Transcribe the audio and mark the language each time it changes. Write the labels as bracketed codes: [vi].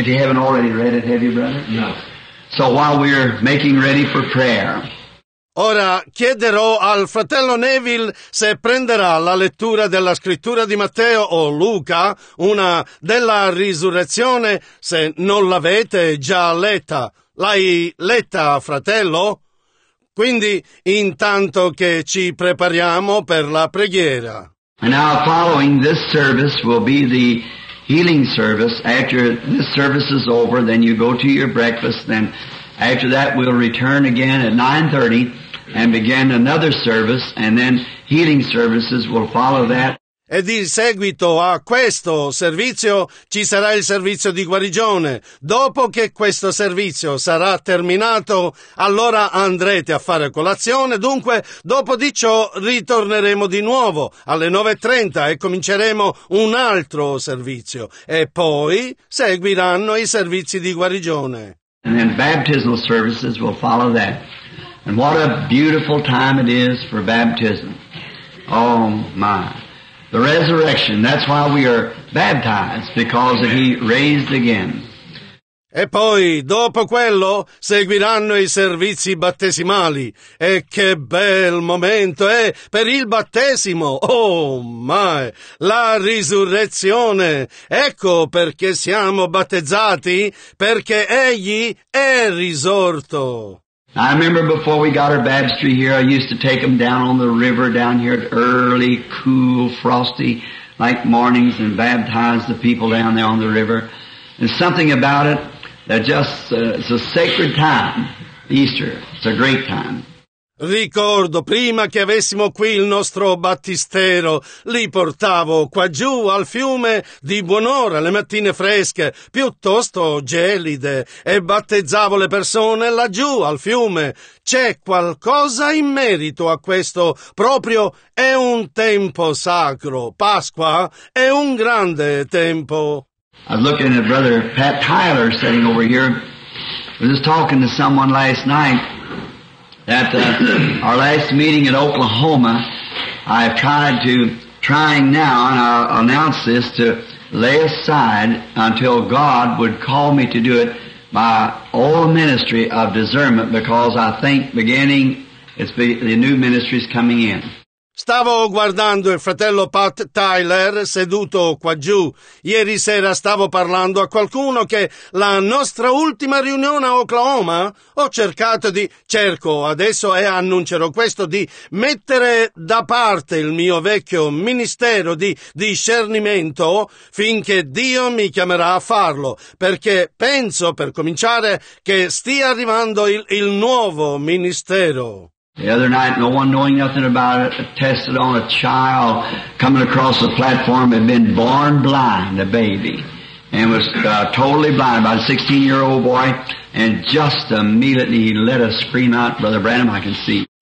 [en] If you haven't already read it, have you, brother? No. So while we're making ready for prayer. [it] Ora chiederò al fratello Neville se prenderà la lettura della scrittura di Matteo o Luca, una della risurrezione, se non l'avete già letta. L'hai letta, fratello? Quindi, intanto che ci prepariamo per la preghiera. [en] And now following this service will be the healing service. After this service is over, then you go to your breakfast. Then after that, we'll return again at 9:30 and begin another service. And then healing services will follow that. [it] E di seguito a questo servizio ci sarà il servizio di guarigione. Dopo che questo servizio sarà terminato, allora andrete a fare colazione. Dunque, dopo di ciò, ritorneremo di nuovo alle 9:30 e cominceremo un altro servizio. E poi seguiranno i servizi di guarigione. [en] And then baptismal services will follow that. And what a beautiful time it is for baptism. Oh my. The resurrection, that's why we are baptized, because he raised again. [it] E poi, dopo quello, seguiranno i servizi battesimali. E che bel momento è per il battesimo! Oh, mai! La risurrezione! Ecco perché siamo battezzati, perché egli è risorto! [en] I remember before we got our baptistry here, I used to take them down on the river down here at early, cool, frosty, like mornings and baptize the people down there on the river. And something about it that just, it's a sacred time, Easter. It's a great time. [it] Ricordo prima che avessimo qui il nostro battistero, li portavo qua giù al fiume di buon'ora le mattine fresche, piuttosto gelide, e battezzavo le persone laggiù al fiume. C'è qualcosa in merito a questo, proprio è un tempo sacro. Pasqua è un grande tempo. [en] I'm looking at Brother Pat Tyler sitting over here. I was just talking to someone last night. At our last meeting in Oklahoma, I've trying now, and I'll announce this, to lay aside until God would call me to do it my old ministry of discernment, because I think beginning, it's the new ministry is coming in. [it] Stavo guardando il fratello Pat Tyler seduto qua giù. Ieri sera stavo parlando a qualcuno che la nostra ultima riunione a Oklahoma cerco adesso e annuncerò questo di mettere da parte il mio vecchio ministero di discernimento finché Dio mi chiamerà a farlo, perché penso, per cominciare, che stia arrivando il nuovo ministero. [en] The other night, no one knowing nothing about it, tested on a child coming across the platform, had been born blind, a baby, and was totally blind, about a 16-year-old boy, and just immediately he let a scream out, Brother Branham, I can see.